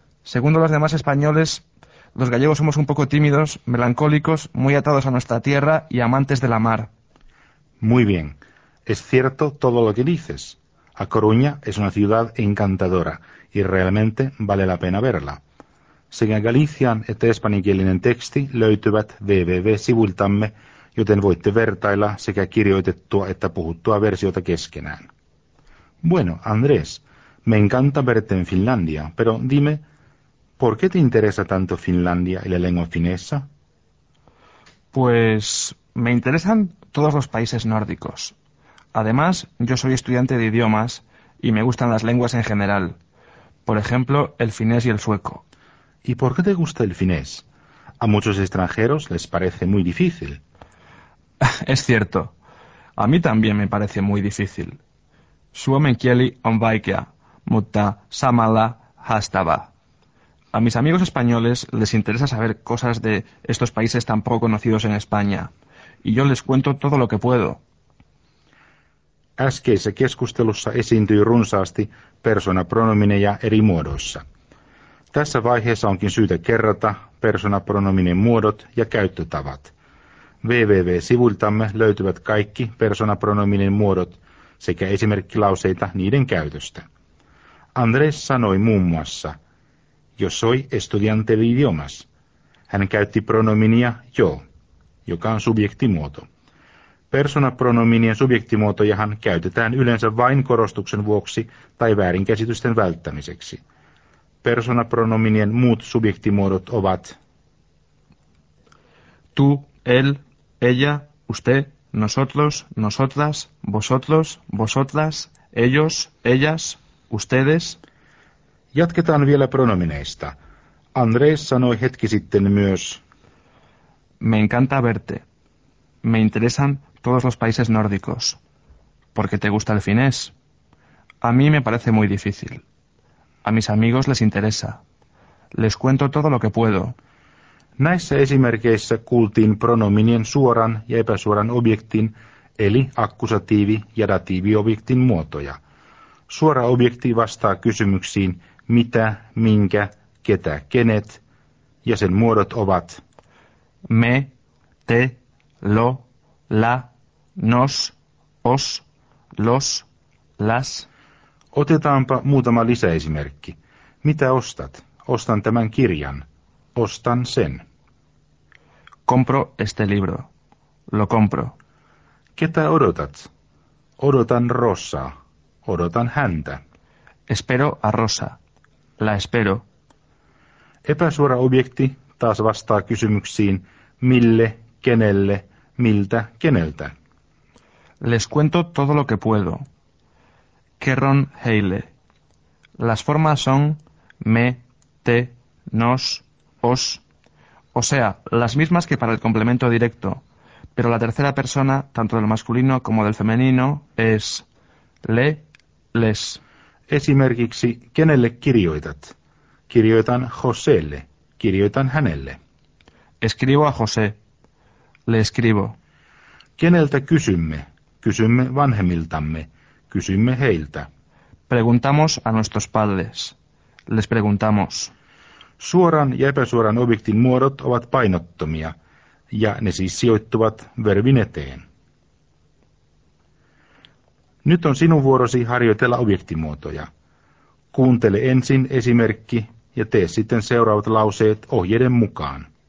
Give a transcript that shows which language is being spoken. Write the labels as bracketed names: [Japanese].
[Spanish] Según los demás españoles, los gallegos somos un poco tímidos, melancólicos, muy atados a nuestra tierra y amantes de la mar. Muy bien. Es cierto todo lo que dices. A Coruña es una ciudad encantadora y realmente vale la pena verla. [Finnish] Sekä galician että espanjankielinen teksti löytyvät www-sivuiltamme, joten voitte vertailla sekä kirjoitettua että puhuttua versiota keskenään. [Spanish] Bueno, Andrés, me encanta verte en Finlandia, pero dime, ¿por qué te interesa tanto Finlandia y la lengua finesa? Pues me interesan todos los países nórdicos. Además, yo soy estudiante de idiomas y me gustan las lenguas en general. Por ejemplo, el finés y el sueco. ¿Y por qué te gusta el finés? A muchos extranjeros les parece muy difícil. Es cierto. A mí también me parece muy difícil. [Finnish] Suomen kieli on vaikea, mutta samalla haastava. [Spanish] A mis amigos españoles les interesa saber cosas de estos países tan poco conocidos en España. Y yo les cuento todo lo que puedo. [Finnish] Äskeisessä keskustelussa esiintyi runsaasti persoonapronomineja eri muodoissa. Tässä vaiheessa onkin syytä kerrata persoonapronominen muodot ja käyttötavat. www-sivuiltamme löytyvät kaikki persoonapronominen muodot sekä esimerkkilauseita niiden käytöstä. Andrés sanoi muun muassa, [Spanish] yo soy estudiante de idiomas. [Finnish] Hän käytti pronominia yo, joka on subjektimuoto. Persona-pronominien subjektimuotojahan käytetään yleensä vain korostuksen vuoksi tai väärinkäsitysten välttämiseksi. Persona-pronominien muut subjektimuodot ovat [Spanish] tú, él, ella, usted, nosotros, nosotras, vosotros, vosotras, ellos, ellas, ustedes. [Finnish] Jatketaan vielä pronomineista. Andrés sanoi hetki sitten myös [Spanish] me encanta verte. Me interesan todos los países nórdicos. ¿Por qué te gusta el finés? A mí me parece muy difícil. A mis amigos les interesa. Les cuento todo lo que puedo. [Finnish] Näissä esimerkkeissä kuultiin pronominien suoran ja epäsuoran objektin, eli akkusatiivi- ja datiiviobjektin muotoja. Suora objekti vastaa kysymyksiin mitä, minkä, ketä, kenet, ja sen muodot ovat [Spanish] me, te, lo, la, nos, os, los, las. [Finnish] Otetaanpa muutama lisäesimerkki. Mitä ostat? Ostan tämän kirjan. Ostan sen. [Spanish] Compro este libro. Lo compro. [Finnish] Ketä odotat? Odotan Rosaa. Odotan häntä. [Spanish] Espero a Rosa. La espero. [Finnish] Epäsuora objekti taas vastaa kysymyksiin mille, kenelle, miltä, keneltä. [Spanish] Les cuento todo lo que puedo. [Finnish] Kerron heille. [Spanish] Las formas son me, te, nos, os. O sea, las mismas que para el complemento directo. Pero la tercera persona, tanto del masculino como del femenino, es le, les. [Finnish] Esimerkiksi, kenelle kirjoitat? Kirjoitan Joselle. Kirjoitan hänelle. [Spanish] Escribo a José. Le escribo. [Finnish] Keneltä kysymme? Kysymme vanhemmiltamme. Kysymme heiltä. [Spanish] Preguntamos a nuestros padres. Les preguntamos. [Finnish] Suoran ja epäsuoran objektin muodot ovat painottomia, ja ne siis sijoittuvat verbin eteen. Nyt on sinun vuorosi harjoitella objektimuotoja. Kuuntele ensin esimerkki ja tee sitten seuraavat lauseet ohjeiden mukaan.